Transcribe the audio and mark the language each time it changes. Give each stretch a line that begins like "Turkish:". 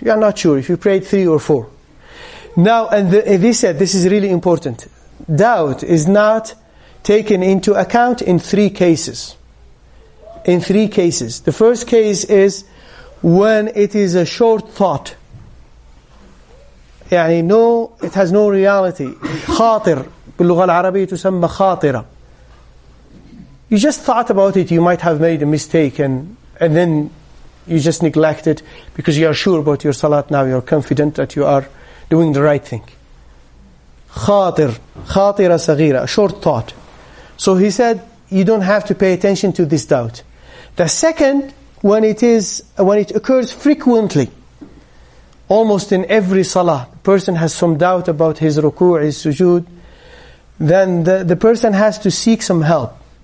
English: You are not sure if you prayed three or four. Now, they said, this is really important. Doubt is not taken into account in three cases. In three cases. The first case is when it is a short thought. يعني no, it has no reality.
Arabic: خاطر. باللغة العربية تسمى خاطرة.
English: You just thought about it, you might have made a mistake and then you just neglect it because you are sure about your salat now, you are confident that you are doing the right thing.
Arabic: خاطر. خاطرة صغيرة.
English: Short thought. So he said, you don't have to pay attention to this doubt. The second, when it occurs frequently, almost in every salah, the person has some doubt about his ruku', his sujood, then the person has to seek some help.